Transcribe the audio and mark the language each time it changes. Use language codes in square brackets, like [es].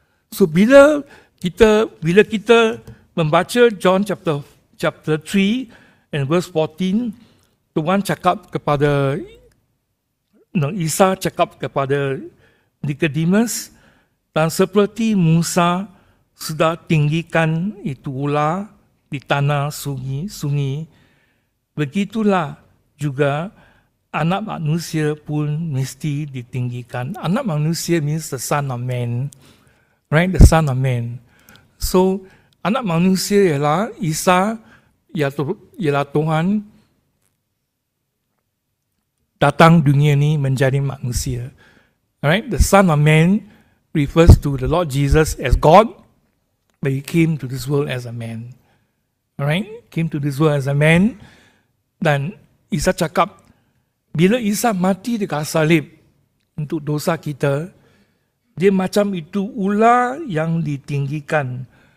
[ms] So bila kita membaca John [en] chapter 3 and verse 14, [ms] Tuhan cakap kepada Isa, cakap kepada Nicodemus, dan seperti Musa sudah tinggikan itu ular di tanah sungi, begitulah juga anak manusia pun mesti ditinggikan. [en] Anak manusia means the son of man, right? The son of man. [ms] So anak manusia ialah Isa, ialah Tuhan datang dunia ini menjadi manusia. [en] Alright, the son of man refers to the Lord Jesus as God, but he came to this world as a man. Alright, came to this world as a man. [ms] Dan Isa cakap, bila Isa mati dekat salib untuk dosa kita, dia macam itu ular yang ditinggikan.